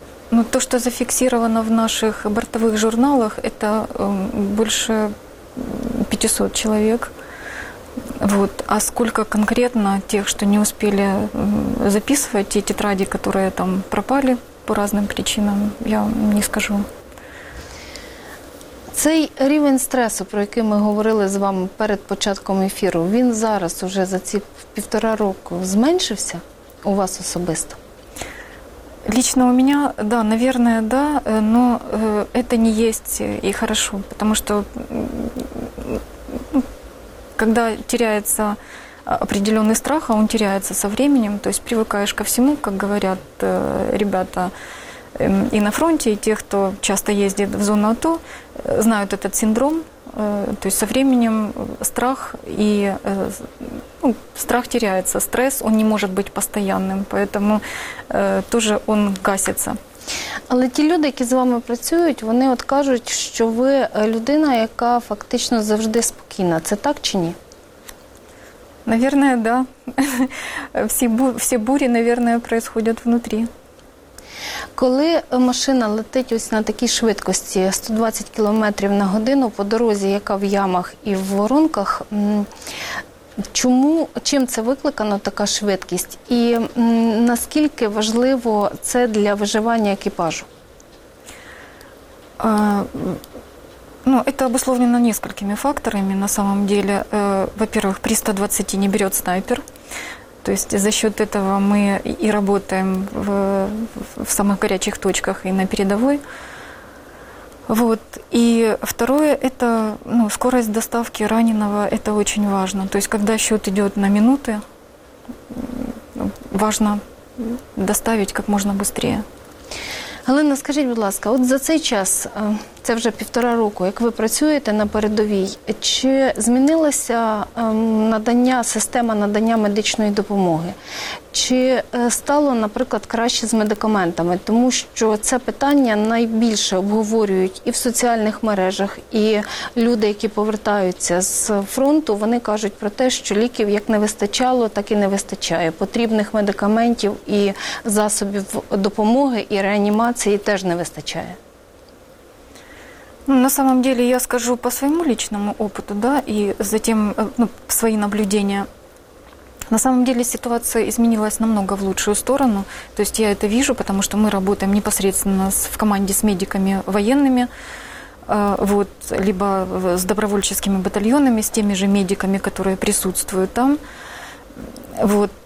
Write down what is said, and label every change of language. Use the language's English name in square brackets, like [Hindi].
[Russian] Ну, то, что зафиксировано в наших бортовых журналах, это больше 500 человек. Вот. А сколько конкретно тех, что не успели записывать, те тетради, которые там пропали по разным причинам, я не скажу. [Ukrainian] Цей рівень стресу, про який ми говорили з вами перед початком ефіру, він зараз уже за ці півтора року зменшився у вас особисто? [Russian] Лично у меня, да, наверное, да, но это не есть и хорошо, потому что когда теряется определенный страх, а он теряется со временем, то есть привыкаешь ко всему, как говорят ребята и на фронте, и те, кто часто ездит в зону АТО, знают этот синдром, то есть со временем страх и страх теряется, стресс, он не может быть постоянным, поэтому тоже он гасится. [Ukrainian] Але ті люди, які з вами працюють, вони от кажуть, що ви людина, яка фактично завжди спокійна. Це так чи ні? [Russian] Наверное, да. [Ukrainian] Всі бурі, [Russian] наверное, [Ukrainian] відбуваються внутрі. Коли машина летить ось на такій швидкості 120 км на годину по дорозі, яка в ямах і в воронках, чим це викликано така швидкість? І наскільки важливо це для виживання екіпажу? [Russian] Ну, это обусловлено несколькими факторами на самом деле. Во-первых, при 120 не берет снайпер. То есть за счет этого мы и работаем в самых горячих точках и на передовой. Вот. И второе, это скорость доставки раненого, это очень важно. То есть когда счет идет на минуты, важно доставить как можно быстрее. [Ukrainian] Галина, скажіть, будь ласка, от за цей час, це вже півтора року, як ви працюєте на передовій, чи змінилося надання, система надання медичної допомоги? Чи стало, наприклад, краще з медикаментами? Тому що це питання найбільше обговорюють і в соціальних мережах, і люди, які повертаються з фронту, вони кажуть про те, що ліків як не вистачало, так і не вистачає. Потрібних медикаментів і засобів допомоги, і реанімації теж не вистачає. [Russian] На самом деле, я скажу по своему личному опыту, да, и затем свои наблюдения. На самом деле ситуация изменилась намного в лучшую сторону. То есть я это вижу, потому что мы работаем непосредственно в команде с медиками военными, вот, либо с добровольческими батальонами, с теми же медиками, которые присутствуют там. Вот.